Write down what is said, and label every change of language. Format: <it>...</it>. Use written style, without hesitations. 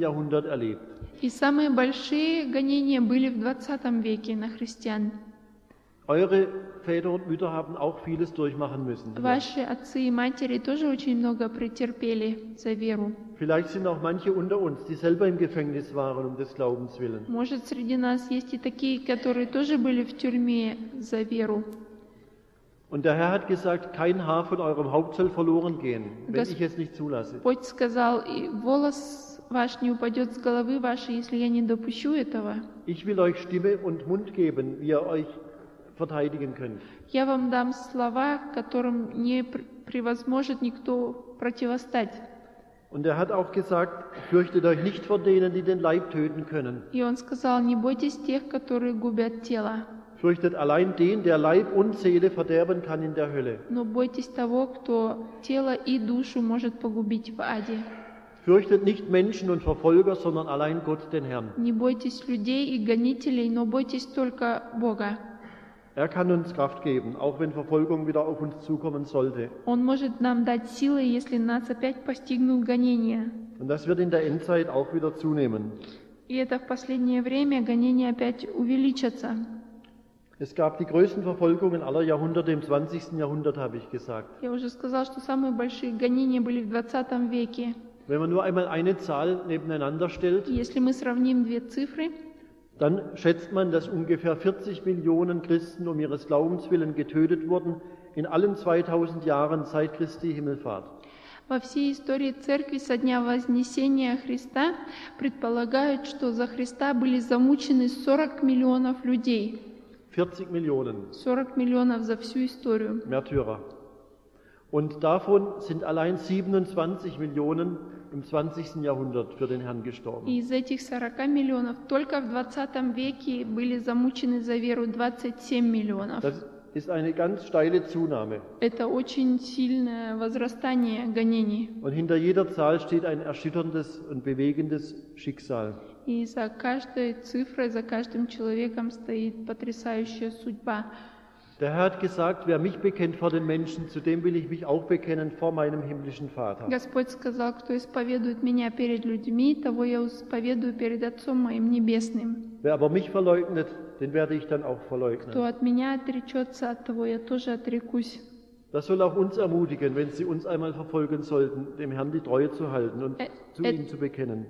<de>Jahrhundert erlebt.</de> <ru>И самые большие гонения были в 20 веке на христиан.</ru> <de>Eure Väter und Mütter haben auch vieles durchmachen müssen.</de> <ru>Ваши отцы и матери тоже очень много претерпели за веру.</ru> <de>Vielleicht sind auch manche unter uns, die selber im Gefängnis waren um des Glaubens willen.</de> <ru>Может, среди нас есть и такие, которые тоже были в тюрьме за веру.</ru> <de>Und der Herr hat gesagt, kein Haar von eurem Haupt soll verloren gehen, wenn ich es nicht zulasse.</de> <ru>Бог сказал, волос ваш не упадет с головы вашей, если я не допущу этого.</ru> <de>Ich will euch Stimme und Mund geben, wie ihr euch verteidigen könnt.</de> <ru>Я вам дам слова, которым не превозможет никто противостать.</ru> <de>Und er hat auch gesagt, fürchtet euch nicht vor denen, die den Leib töten können.</de> <ru>И он сказал, не бойтесь тех, которые губят тело.</ru> <de>Fürchtet allein den, der Leib und Seele verderben kann in der Hölle.</de> <ru>Но бойтесь того, кто тело и душу может погубить в аде.</ru> <de>Fürchtet nicht Menschen und Verfolger, sondern allein Gott, den Herrn.</de> <ru>Не бойтесь людей и гонителей, но бойтесь только Бога.</ru> <de>Er kann uns Kraft geben, auch wenn Verfolgung wieder auf uns zukommen sollte.</de> <ru>Он может нам дать силы, если нас опять постигнут гонения.</ru> <de>Und das wird in der Endzeit auch wieder zunehmen.</de> <ru>И это в последнее время гонения опять увеличатся.</ru> <de>Es gab die größten Verfolgungen aller Jahrhunderte im 20. Jahrhundert, habe ich gesagt.</de> <ru>Я уже сказал, что самые большие гонения были в 20 веке.</ru> <de>Wenn man nur einmal eine Zahl nebeneinander stellt,</de> <ru>если мы сравним две цифры,</ru> <de>dann schätzt man, dass ungefähr 40 Millionen Christen um ihres Glaubens willen getötet wurden in allen 2000 Jahren seit Christi Himmelfahrt.</de> <ru>Во всей истории церкви со дня вознесения Христа предполагают, что за Христа были замучены 40 миллионов людей.</ru> <de>40 Millionen.</de> <ru>40 миллионов за всю историю.</ru> <de>Märtyrer. Und davon sind allein 27 Millionen im 20. Jahrhundert für den Herrn gestorben.</de> <ru>Из этих 40 миллионов только в 20 веке были замучены за веру 27 миллионов.</ru> <de>Das ist eine ganz steile Zunahme.</de> <ru>Это очень сильное возрастание гонений.</ru> <de>Und hinter jeder Zahl steht ein erschütterndes und bewegendes Schicksal.</de> <ru>И за каждой цифрой, за каждым человеком стоит потрясающая судьба.</ru> <de>Der Herr hat gesagt, wer mich bekennt vor den Menschen, zu dem will ich mich auch bekennen vor meinem himmlischen Vater.</de> <ru>Господь сказал, кто исповедует меня перед людьми, того я исповедую перед Отцом моим небесным.</ru> <de>Wer aber mich verleugnet, den werde ich dann auch verleugnen.</de> <ru>Кто от меня отречется, от того я тоже отрекусь.</ru> <de>Das soll auch uns ermutigen, wenn sie uns einmal verfolgen sollten, dem Herrn die Treue zu halten und zu ihm zu bekennen.</de>